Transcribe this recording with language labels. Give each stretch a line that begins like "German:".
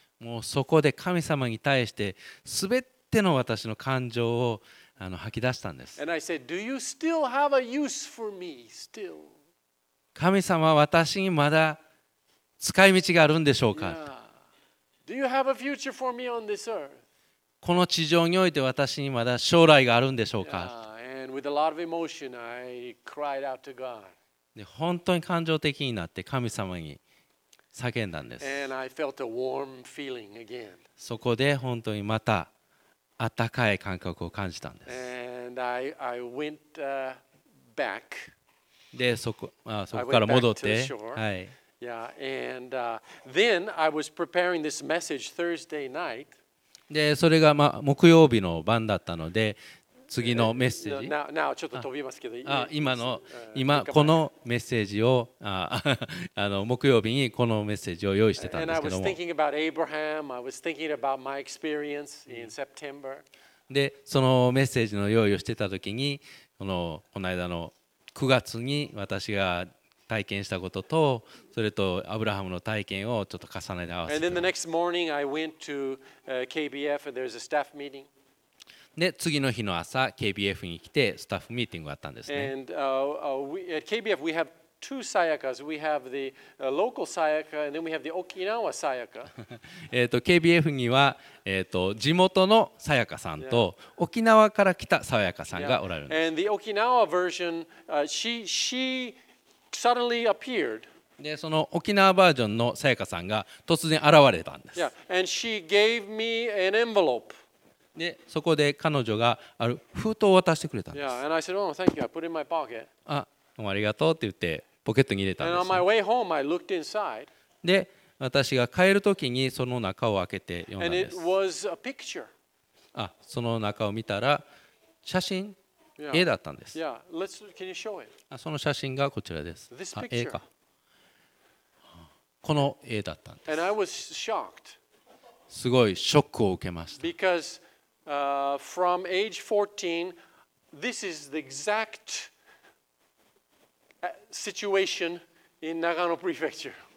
Japanese: もうそこで神様に対して全ての私の感情を吐き出したんです。
English: And I said, Do you still have a use for me still?
Japanese: 神様は私にまだ使い道があるんでしょうか、
English: Do you have a future for me on this earth?
Japanese: この地上において私にまだ将来があるんでしょうか、
English: And with a lot of emotion, I cried out to God.
Japanese: で本当に感情的になって神様に叫んだんです。
English: And I felt a warm feeling again.
Japanese: そこで本当にまた温かい感覚を感じたんです。
English: And I went, back.
Japanese: でそこ、あ、そこから戻って、はい。
English: Yeah, and, then I was preparing this message Thursday night.
Japanese: でそれが、まあ、木曜日の晩だったので次のメッセージ。 Now ちょっと飛びますけど。今このメッセージをあの木曜日にこのメッセージを用意してたんですけども。
English: And I was thinking about Abraham. I was thinking about my experience in September.
Japanese: でそのメッセージの用意をしてた時にこの間の9月に私が体験したことと、それとアブラハムの体験をちょっと重ねて合わせて。
English: And then the next morning, I went to KBF, and there's a staff meeting.
Japanese: で、次の日の朝、KBF に来て、スタッフミーティングがあったんですね。
English: And at KBF, we have two Sayakas. We have the local Sayaka, and then we have the Okinawa Sayaka.
Japanese: KBF には、地元のさやかさんと沖縄から来たさやかさんがおられるんです。
English: And the Okinawa version, she suddenly appeared.
Japanese: で、その沖縄バージョンのさやかさんが突然現れたんです。
English: Yeah. And she gave me an envelope.
Japanese: で、そこで彼女がある封筒を渡してくれたんです。
English: Yeah. And I said, oh, thank you. I put it in my pocket.
Japanese: ありがとうって言ってポケットに入れたんです。
English: And on my way home, I looked inside.
Japanese: で、私が帰るときにその中を開けて読んだんです。
English: And it was a picture.
Japanese: あ、その中を見たら写真、
English: yeah.
Japanese: 絵だったんです。
English: Yeah. Let's, can you show it?
Japanese: その写真がこちらです。
English: This picture.
Japanese: あ、絵か。この絵だったんです。
English: And I was shocked.
Japanese: すごいショックを受けました。
English: Because, from age 14, this is the exact situation in Nagano Prefecture.